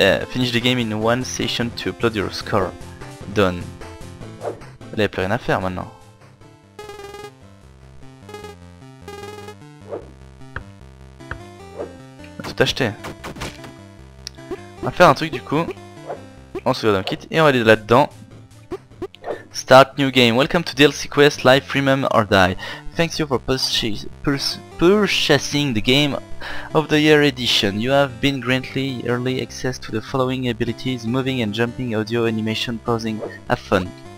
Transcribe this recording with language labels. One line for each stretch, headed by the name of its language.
English: Finish the game in one session to upload your score. Done.
French: Là, il n'y a plus rien à faire maintenant. On a tout acheté. On va faire un truc du coup. On se regarde un kit et on va aller là-dedans.
English: Start new game. Welcome to DLC Quest Life, Remember or Die. Thanks you for purchasing the game of the year edition. You have been granted early access to the following abilities: moving and jumping, audio, animation, pausing. Have fun.